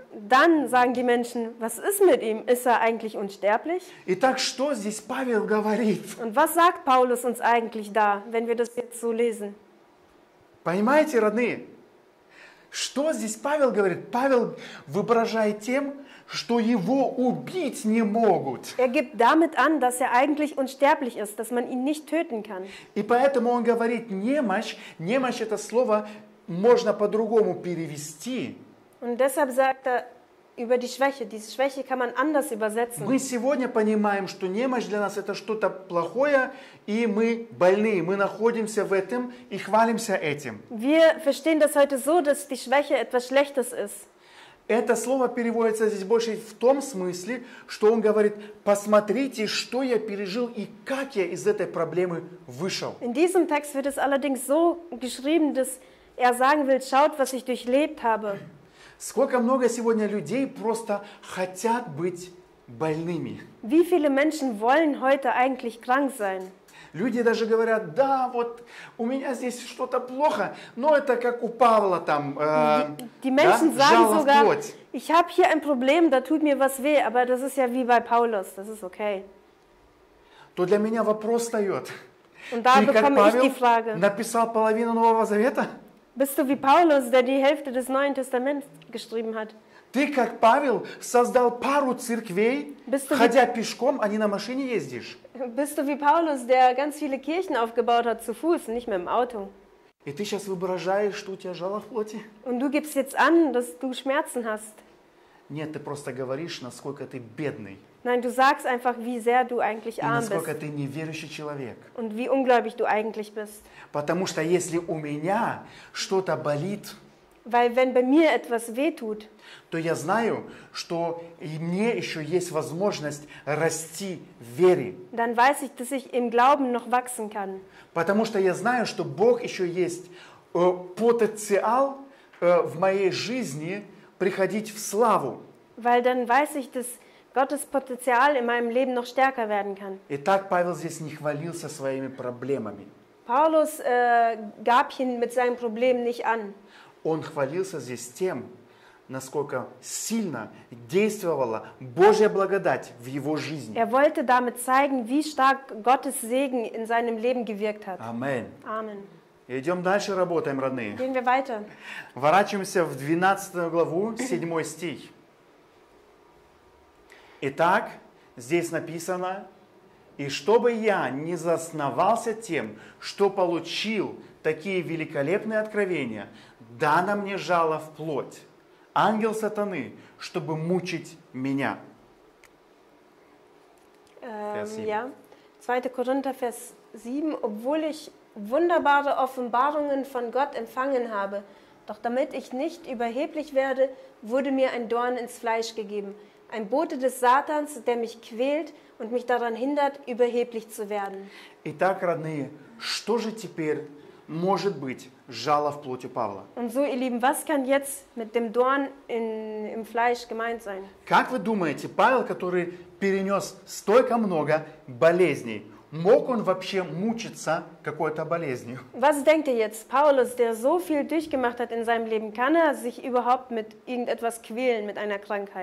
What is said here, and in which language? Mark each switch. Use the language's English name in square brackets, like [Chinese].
[German] Dann sagen die Menschen, was ist mit ihm? Ist er eigentlich unsterblich? [Russian] Итак, что здесь Павел говорит? [German] Und was sagt Paulus uns eigentlich da, wenn wir das jetzt so lesen? [Russian] Понимаете, родные? Что здесь Павел говорит? Павел выражает тем, что его убить не могут. [German] Er gibt damit an, dass er eigentlich unsterblich ist, dass man ihn nicht töten kann. [Russian] И поэтому он говорит немощь. Немощь — это слово можно по-другому перевести. [German] Und deshalb sagt er über die Schwäche. Diese Schwäche kann man anders übersetzen. [Russian] Мы сегодня понимаем, что немощь для нас — это что-то плохое, и мы больные. Мы находимся в этом и хвалимся этим. [German] Wir verstehen das heute so, dass die Schwäche etwas Schlechtes ist. [Russian] Это слово переводится здесь больше в том смысле, что он говорит: «Посмотрите, что я пережил и как я из этой проблемы вышел». [German] In diesem Text wird es allerdings so geschrieben, dass er sagen will: «Schaut, was ich durchlebt habe». [Russian] Сколько много сегодня людей просто хотят быть больными. [German] Wie viele Menschen wollen heute eigentlich krank sein? [Russian] Люди даже говорят: «Да, вот у меня здесь что-то плохо, но это как у Павла там, жало в плоть». [German] Ich habe hier ein Problem, da tut mir was weh, aber das ist ja wie bei Paulus, das ist okay. [Russian] То для меня вопрос встает. [German] Und da bekomme ich die Frage. [Russian] Написал половину Нового Завета? [German] Bist du wie Paulus, der die Hälfte des Neuen Testaments geschrieben hat? [Russian] Ты как Павел создал пару церквей, ходя пешком, а не на машине ездишь? [German] Bist du wie Paulus, der ganz viele Kirchen aufgebaut hat zu Fuß, nicht mit dem Auto? [Russian] И ты сейчас выражаешь, что у тебя жало в плоти? [German] Und du gibst jetzt an, dass du Schmerzen hast? [Russian] Нет, ты просто говоришь, насколько ты бедный. [German] Nein, du sagst einfach, wie sehr du eigentlich arm bist. [Russian] И насколько ты неверующий человек. [German] Und wie ungläubig du eigentlich bist. [Russian] Потому что если у меня что-то болит, [German] weil wenn bei mir etwas wehtut, [Russian] то я знаю, что мне еще есть возможность расти в вере. [German] Dann weiß ich, dass ich im Glauben noch wachsen kann. [Russian] Потому что я знаю, что Бог еще есть потенциал в моей жизни приходить в славу. [German] Weil dann weiß ich, dass Gottes Potenzial in meinem Leben noch stärker werden kann. [Russian] Итак, Павел здесь не хвалился своими проблемами. [German] Paulus gab ihn mit seinem Problem nicht an. [Russian] Он хвалился здесь тем, насколько сильно действовала Божья благодать в его жизни. [German] Er wollte damit zeigen, wie stark Gottes Segen in seinem Leben gewirkt hat. Amen. Amen. [Russian] Идем дальше, работаем, родные. [German] Gehen wir weiter. [Russian] Ворачиваемся в 12 главу, 7 стих. Итак, здесь написано: «И чтобы я не засновался тем, что получил такие великолепные откровения, дано мне жало в плоть, ангел сатаны, чтобы мучить меня». [German] Ja, 2. Korinther, Vers 7. «Obwohl ich wunderbare Offenbarungen von Gott empfangen habe, doch damit ich nicht überheblich werde, wurde mir ein Dorn ins Fleisch gegeben». Ein Bote des Satans, der mich quält und mich daran hindert, überheblich zu werden. [Russian] Итак, родные, что же теперь может быть жало в плоти Павла? [German] Und so, ihr Lieben, was kann jetzt mit dem Dorn im Fleisch gemeint sein? [Russian] Как вы думаете, Павел, который перенес столько много болезней, мог он вообще мучиться какой-то болезнью? [German] Was denkt ihr jetzt? Paulus, der so viel durchgemacht hat in seinem Leben, kann er sich überhaupt mit irgendetwas quälen, mit einer Krankheit?